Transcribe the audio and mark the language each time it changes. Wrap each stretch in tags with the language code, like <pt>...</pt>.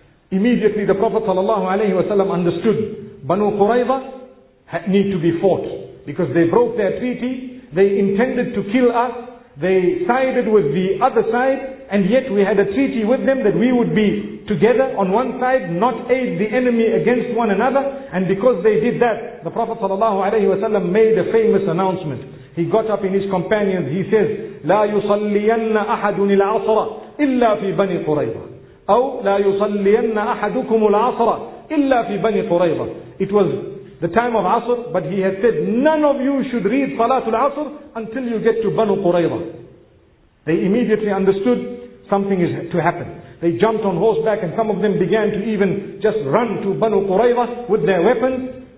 <en>Immediately the Prophet sallallahu alaihi wasallam understood Banu Qurayza need to be fought because they broke their treaty, they intended to kill us, they sided with the other side, and yet we had a treaty with them that we would be together on one side, not aid the enemy against one another. And because they did that, the Prophet sallallahu alaihi wasallam made a famous announcement. He got up in his companions, he says,</en> <ar>لَا يُصَلِّيَنَّ أَحَدٌ الْعَصْرَ إِلَّا فِي بَنِي قُرَيْضَ أَوْ لَا يُصَلِّيَنَّ أَحَدُكُمُ الْعَصْرَ إِلَّا فِي بَنِي قُرَيْضَ.</ar> <en>It was the time of Asr, but he has said, none of you should read Salatul Asr until you get to Banu Qurayza. They immediately understood something is to happen. They jumped on horseback and some of them began to even just run to Banu Qurayza with their weapons.</en>